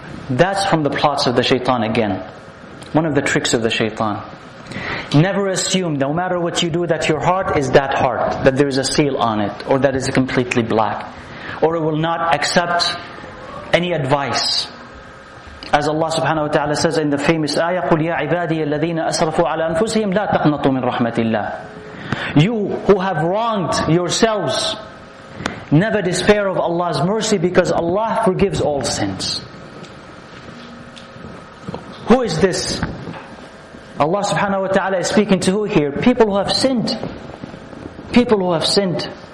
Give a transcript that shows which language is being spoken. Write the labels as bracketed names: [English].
[English] That's from the plots of the shaitan again. One of the tricks of the shaitan. Never assume, no matter what you do, that your heart is that heart, that there is a seal on it, or that is completely black, or it will not accept any advice. As Allah subhanahu wa ta'ala says in the famous ayah, [Arabic] قُلْ يَا عِبَادِيَ الَّذِينَ أَسْرَفُوا عَلَىٰ أَنفُسِهِمْ لَا تَقْنَطُوا مِنْ رَحْمَةِ اللَّهِ. [English] You who have wronged yourselves, never despair of Allah's mercy, because Allah forgives all sins. Who is this? Allah subhanahu wa ta'ala is speaking to who here? People who have sinned. People who have sinned.